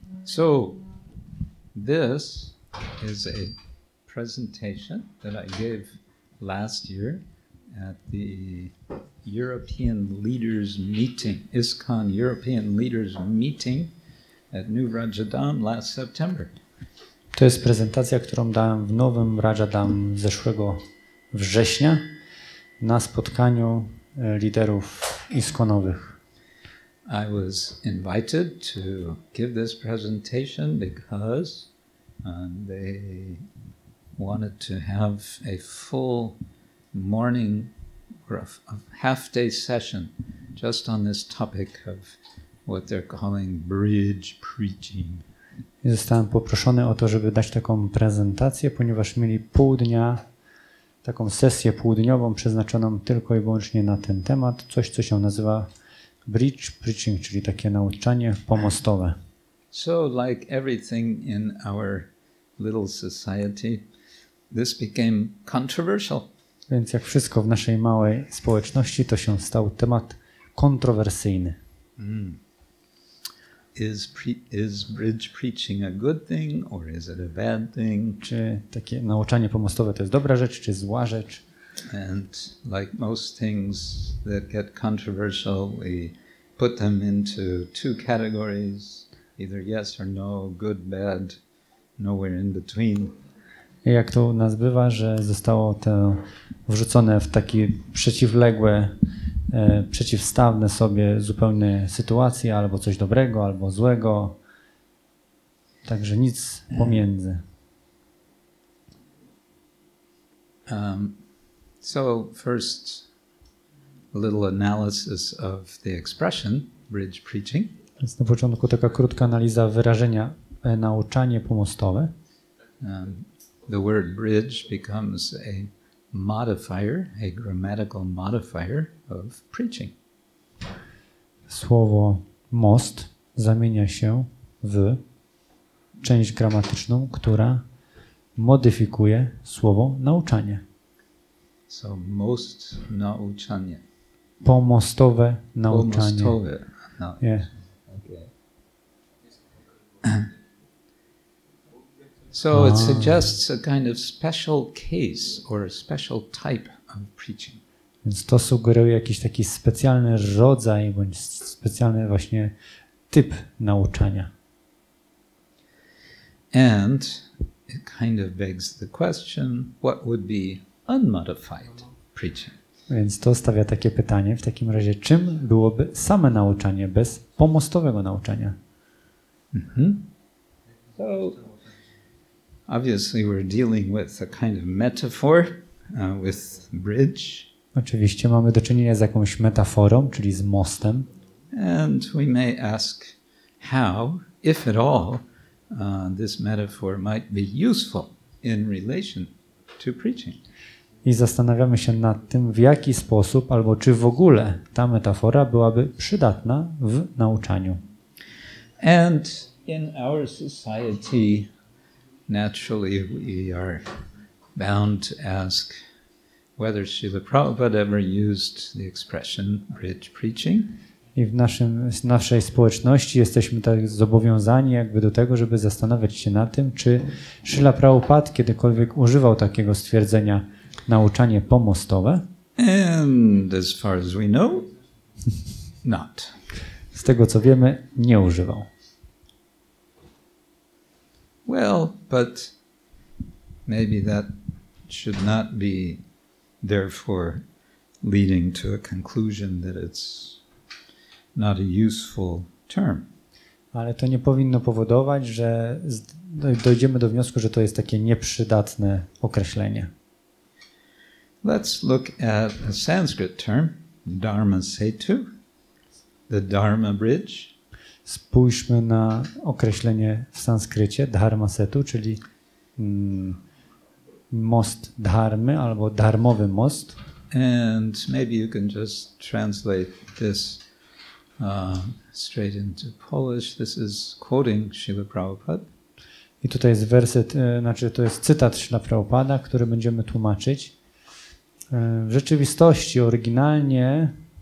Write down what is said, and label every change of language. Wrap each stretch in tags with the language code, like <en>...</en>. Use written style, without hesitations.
<en>So, this is a presentation that I gave last year at the European Leaders Meeting, ISKCON European Leaders Meeting at New Rajadhan last September.</en> <pl>To jest prezentacja, którą dałem w Nowym Rajadhan zeszłego września na spotkaniu liderów ISKCON-owych.</pl> <en>I was invited to give this presentation because they wanted to have a full morning or a half-day session just on this topic of what they're calling bridge preaching.</en> <pl>I zostałem poproszony o to, żeby dać taką prezentację, ponieważ mieli pół dnia, taką sesję półdniową przeznaczoną tylko i wyłącznie na ten temat, coś, co się nazywa bridge preaching, czyli takie nauczanie pomostowe.</pl> <en>So like everything in our little society, this became controversial.</en> <pl>Więc jak wszystko w naszej małej społeczności, to się stał temat kontrowersyjny.</pl> <en>Is bridge preaching a good thing or is it a bad thing?</en> <pl>Czy takie nauczanie pomostowe to jest dobra rzecz czy zła rzecz?</pl> <en>And like most things that get controversial, we put them into two categories, either yes or no, good, bad, nowhere in between.</en> <pl>Jak to nas bywa, że zostało to wrzucone w takie przeciwległe, przeciwstawne sobie zupełnie sytuacje, albo coś dobrego, albo złego. Także nic pomiędzy.</pl> <en>So first, a little analysis of the expression bridge preaching.</en> <pl>Więc na początku taka krótka analiza wyrażenia nauczanie pomostowe.</pl> <en>The word bridge becomes a modifier, a grammatical modifier of preaching.</en> <pl>Słowo most zamienia się w część gramatyczną, która modyfikuje słowo nauczanie. So most nauczanie. Pomostowe nauczanie. Pomostowe nauczanie.</pl> <en>Yeah. So it suggests a kind of special case or a special type of preaching.</en> <pl>Więc to sugeruje jakiś taki specjalny rodzaj bądź specjalny właśnie typ nauczania.</pl> <en>And it kind of begs the question, what would be unmodified preaching?</en> <pl>Więc to stawia takie pytanie, w takim razie czym byłoby same nauczanie bez pomostowego nauczania?</pl> <en>So obviously we're dealing with a kind of metaphor with bridge.</en> <pl>Oczywiście mamy do czynienia z jakąś metaforą, czyli z mostem.</pl> <en>And we may ask how, if at all, this metaphor might be useful in relation to preaching.</en> <pl>I zastanawiamy się nad tym, w jaki sposób albo czy w ogóle ta metafora byłaby przydatna w nauczaniu.</pl> <en>And in our society, naturally, we are bound to ask whether Srila Prabhupada ever used the expression bridge preaching.</en> <pl>I w naszej społeczności jesteśmy tak zobowiązani jakby do tego, żeby zastanawiać się na tym, czy Srila Prabhupada kiedykolwiek używał takiego stwierdzenia nauczanie pomostowe.</pl> <en>And as far as we know, not.</en> <pl>Z tego co wiemy, nie używał.</pl> <en>Well, but maybe that should not be therefore leading to a conclusion that it's not a useful term.</en> <pl>Ale to nie powinno powodować, że dojdziemy do wniosku, że to jest takie nieprzydatne określenie.</pl> <en>Let's look at a Sanskrit term, Dharma Setu, the Dharma Bridge.</en> <pl>Spójrzmy na określenie w sanskrycie Dharma Setu, czyli most dharmy albo darmowy most.</pl> <en>And maybe you can just translate this straight into Polish. This is quoting Srila Prabhupada.</en> <pl>I tutaj jest werset, znaczy to jest cytat Srila Prabhupada, który będziemy tłumaczyć. W rzeczywistości oryginalnie</pl>